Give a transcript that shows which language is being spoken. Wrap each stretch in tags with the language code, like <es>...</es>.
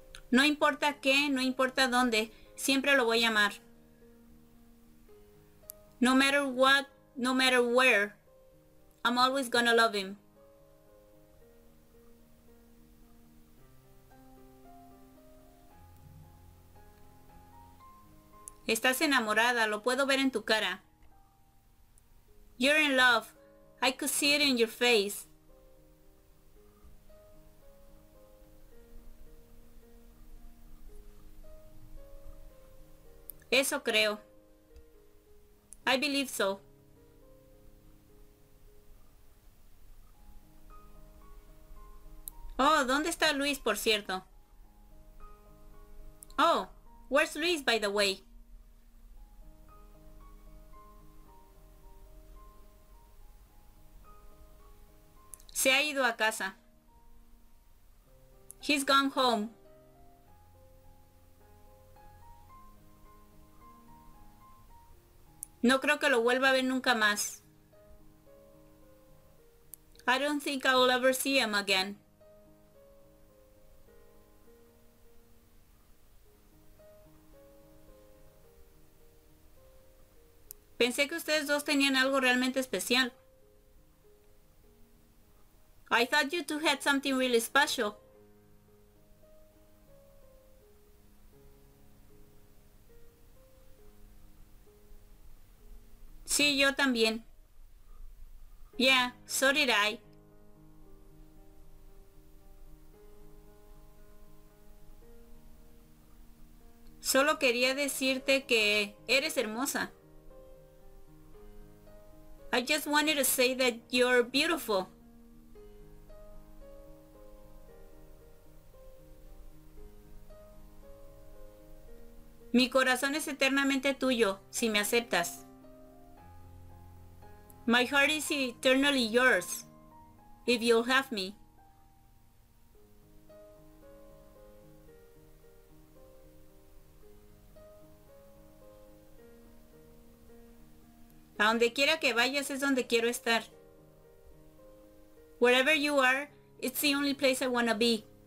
<es>No importa qué, no importa dónde, siempre lo voy a amar.</es> <en>No matter what, no matter where, I'm always gonna love him.</en> <es>Estás enamorada, lo puedo ver en tu cara.</es> <en>You're in love. I could see it in your face.</en> <es>Eso creo.</es> <en>I believe so.</en> <es>Oh, ¿dónde está Luis, por cierto?</es> <en>Oh, where's Luis, by the way?</en> <es>Se ha ido a casa.</es> <en>He's gone home.</en> <es>No creo que lo vuelva a ver nunca más.</es> <en>I don't think I'll ever see him again.</en> <es>Pensé que ustedes dos tenían algo realmente especial.</es> <en>I thought you two had something really special.</en> <es>Sí, yo también.</es> <en>Yeah, so did I.</en> <es>Solo quería decirte que eres hermosa.</es> <en>I just wanted to say that you're beautiful.</en> <es>Mi corazón es eternamente tuyo, si me aceptas.</es> <en>My heart is eternally yours, if you'll have me.</en> <es>A donde quiera que vayas es donde quiero estar.</es> <en>Wherever you are, it's the only place I wanna be.</en>